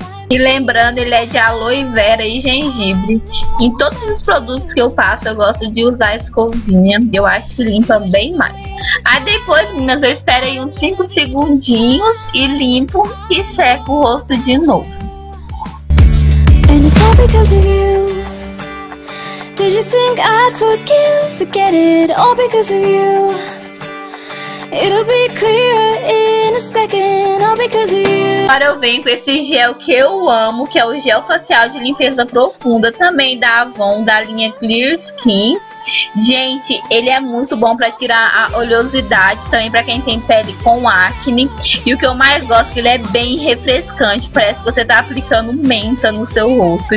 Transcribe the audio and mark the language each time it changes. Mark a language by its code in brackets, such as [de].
[pt] E lembrando, ele é de aloe vera e gengibre. Em todos os produtos que eu passo, eu gosto de usar escovinha. Eu acho que limpa bem mais. Aí depois, meninas, eu espero aí uns 5 segundinhos e limpo e seco o rosto de novo. [en] And it's all because of you. Did you think I'd forgive? Forget it, all because of you. It'll be clearer in a second, all because of you. [pt] Agora eu venho com esse gel que eu amo, que é o gel facial de limpeza profunda, também da Avon, da linha Clear Skin. Gente, ele é muito bom pra tirar a oleosidade, também pra quem tem pele com acne. E o que eu mais gosto, ele é bem refrescante, parece que você tá aplicando menta no seu rosto.